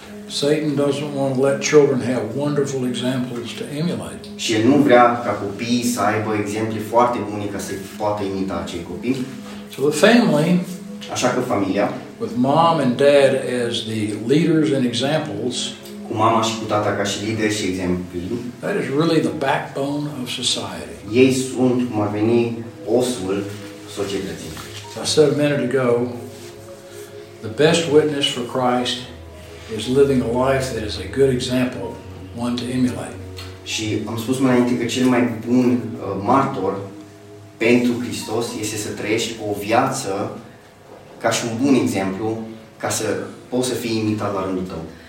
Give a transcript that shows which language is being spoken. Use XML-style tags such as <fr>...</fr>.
<en>Satan doesn't want to let children have wonderful examples to emulate.</en> <ro>Și el nu vrea ca copiii să aibă exemple foarte bune ca să poată imita acei copii.</ro> <en>So the family,</en> <ro>așa că familia,</ro> <en>with mom and dad as the leaders and examples,</en> <ro>cu mama și cu tata ca și lideri și exemplu,</ro> <en>that is really the backbone of society.</en> <ro>Ei sunt, cum ar veni, osul societății.</ro> <en>So I said a minute ago, the best witness for Christ is living a life that is a good example, one to emulate.</en> <ro>Și am spus mai înainte că cel mai bun martor pentru Hristos este să trăiești o viață ca și un bun exemplu, ca să poți să fii imitat la rândul tău.</ro>